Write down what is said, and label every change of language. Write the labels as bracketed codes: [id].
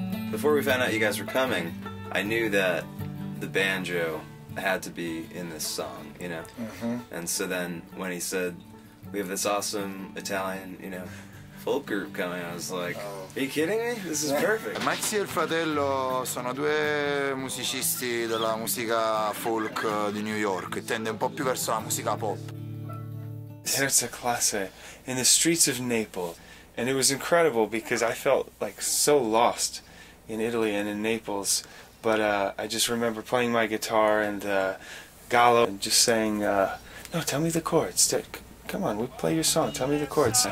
[en] Before we found out you guys were coming, I knew that the banjo had to be in this song, you know? Mm-hmm. And so then when he said, we have this awesome Italian, you know, folk group coming, I was like, are you kidding me? This is perfect. [it] Maxi e il fratello sono due musicisti della musica folk di New York, tende un po' più verso la musica pop. [en] It's a classe in the streets of Naples, and it was incredible because I felt like so lost in Italy and in Naples, but I just remember playing my guitar and Gallo and just saying, no, tell me the chords, come on, we play your song, tell me the chords.